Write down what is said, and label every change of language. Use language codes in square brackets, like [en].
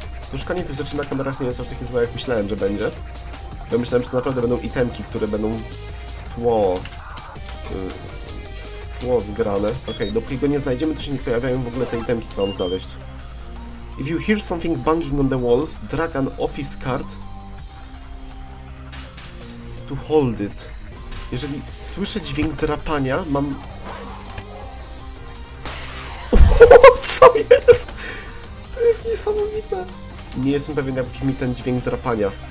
[pl] Puszkanie tych rzeczy na kamerach nie jest aż takie złe, jak myślałem, że będzie. Ja myślałem, że to naprawdę będą itemki, które będą w tło zgrane. Okej, dopóki go nie znajdziemy, to się nie pojawiają w ogóle te itemki, co mam znaleźć. [en] If you hear something banging on the walls, drag an office card to hold it. [pl] Jeżeli słyszę dźwięk drapania, mam... co jest? To jest niesamowite. Nie jestem pewien, jak brzmi ten dźwięk drapania.